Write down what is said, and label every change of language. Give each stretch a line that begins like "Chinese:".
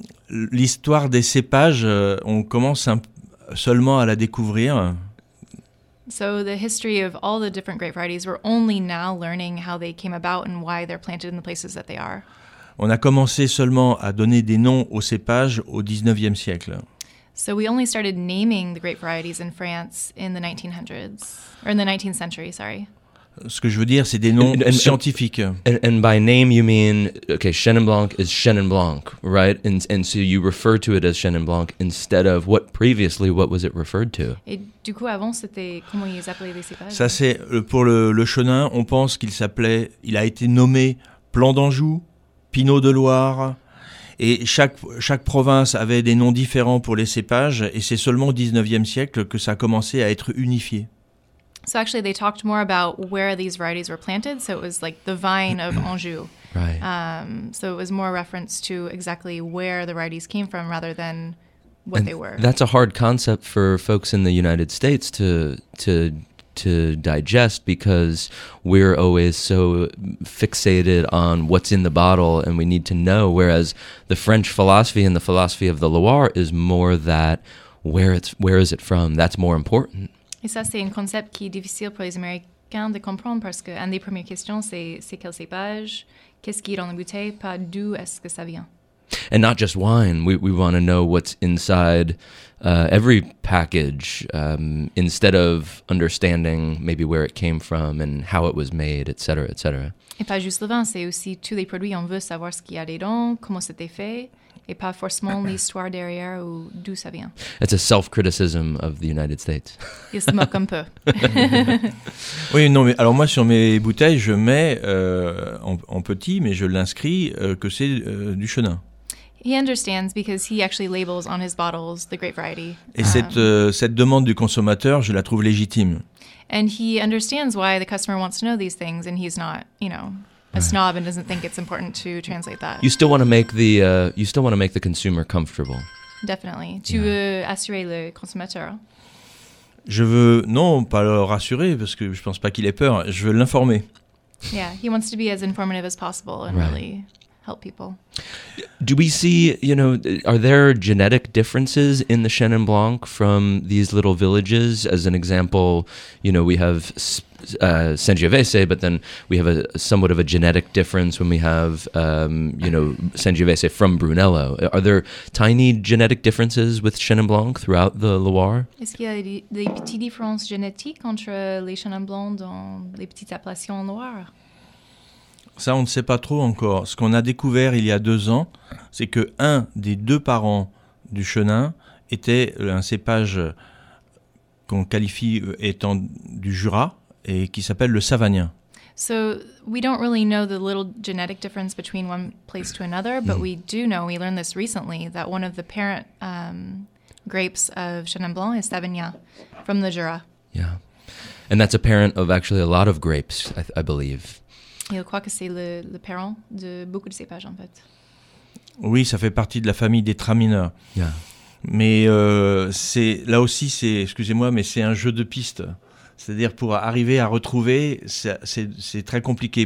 French: L'histoire des cépages, on commence seulement à la découvrir.
English: So the history of all the different grape varieties, we're only now learning how they came about and why they're planted in the places that they are.
French: On a commencé seulement à donner des noms aux cépages au 19e siècle.
English: So we only started naming the grape varieties in France in the 1900s, or in the 19th century, sorry.
French: Ce que je veux dire, c'est des noms scientifiques.
English: And by name, you mean, okay, Chenin Blanc is Chenin Blanc, right? And so you refer to it as Chenin Blanc instead of what previously, what was it referred to?
French: Et du coup, avant, c'était comment ils appelaient les cépages? Ça, c'est pour le Chenin, on pense qu'il s'appelait, il a été nommé Plan d'Anjou, Pinot de Loire. Et chaque province avait des noms différents pour les cépages. Et c'est seulement au 19e siècle que ça a commencé à être unifié.
English: So actually, they talked more about where these varieties were planted. So it was like the vine of Anjou. Right. So it was more reference to exactly where the varieties came from rather than what and they were. That's a hard concept for folks in the United States to digest because we're always so fixated on what's in the bottle and we need to know. Whereas the French philosophy and the philosophy of the Loire is more that where is it from? That's more important.
French: Et ça, c'est un concept qui est difficile pour les Américains de comprendre parce qu'une des premières questions, c'est quel cépage, qu'est-ce qui est dans la bouteille, pas d'où est-ce que ça vient.
English: And not just wine. We want to know what's inside every package instead of understanding maybe where it came from and how it was made, etc., etc.
French: Et pas juste le vin, c'est aussi tous les produits. On veut savoir ce qu'il y a dedans, comment c'était fait. Et pas forcément l'histoire derrière ou d'où ça vient.
English: It's a self-criticism of the United States.
French: Il se moque un peu. Oui, non, mais alors moi, sur mes bouteilles, je mets en petit, mais je l'inscris que c'est du Chenin.
English: He understands because he actually labels on his bottles the grape variety.
French: Et cette demande du consommateur, je la trouve légitime.
English: And he understands why the customer wants to know these things and he's not, you know, a snob and doesn't think it's important to translate that. You still want to make the consumer comfortable. Definitely.
French: Tu veux assurer le consommateur? Je veux non, pas le rassurer parce que je pense pas qu'il ait peur, je veux l'informer.
English: Yeah, he wants to be as informative as possible and really help people. Do we see, you know, are there genetic differences in the Chenin Blanc from these little villages? As an example, you know, we have Sangiovese, but then we have somewhat of a genetic difference when we have, you know, Sangiovese from Brunello. Are there tiny genetic differences with Chenin Blanc throughout the Loire?
French: Est-ce qu'il y a des petites différences génétiques entre les Chenin Blanc dans les petites appellations en Loire? Ça, on ne sait pas trop encore. Ce qu'on a découvert il y a 2 ans, c'est que un des deux parents du Chenin était un cépage qu'on qualifie étant du Jura et qui s'appelle le Savagnin.
English: So we don't really know the little genetic difference between one place to another, but we do know, we learned this recently, that one of the parent grapes of Chenin Blanc is Savagnin from the Jura. Yeah, and that's a parent of actually a lot of grapes, I believe.
French: Il croit que c'est le parent de beaucoup de cépages, en fait. Oui, ça fait partie de la famille des Traminer.
English: Yeah.
French: Mais c'est, là aussi, c'est, excusez-moi, mais c'est un jeu de piste. C'est-à-dire, pour arriver à retrouver, c'est très compliqué.